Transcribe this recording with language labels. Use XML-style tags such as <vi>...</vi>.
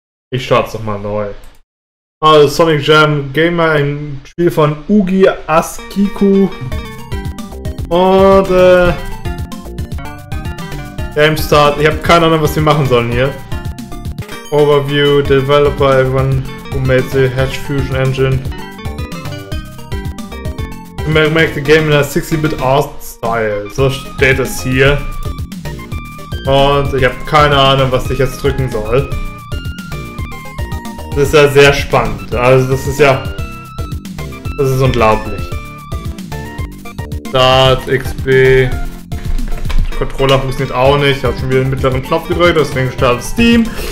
<de>Ich start's nochmal neu. Also Sonic Jam Gamer, ein Spiel von Ugi Askiku. Und Game Start. Ich habe keine Ahnung, was wir machen sollen hier.</de> <en>Overview, Developer, everyone who made the Hatch Fusion Engine. To make the game in a 60-bit art style.</en> <de>So steht es hier. Und ich habe keine Ahnung, was ich jetzt drücken soll. Das ist ja sehr spannend. Also das ist ja... Das ist unglaublich. Start, XP. Controller funktioniert auch nicht. Ich habe schon wieder den mittleren Knopf gedrückt, deswegen startet Steam.</de>